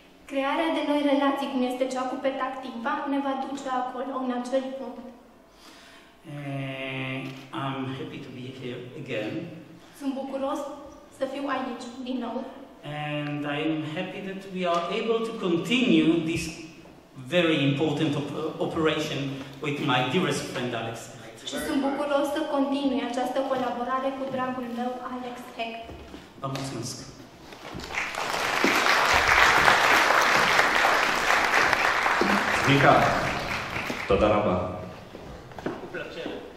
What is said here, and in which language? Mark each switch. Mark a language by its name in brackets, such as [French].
[Romanian] Crearea de noi relații, cum este cea cu Petah Tikva, ne va duce acolo, în acel punct. [English] I'm happy to be here again. [Romanian] Sunt bucuros să fiu aici, din nou. [English] And I'm happy that we are able to continue this very important operation with my dearest friend Alex. [Romanian] Și sunt bucuros să continui această colaborare cu dragul meu, Alex Hecht. Vă mulțumesc! [Hebrew] Mica, toată raba. [Romanian] Cu plăcere.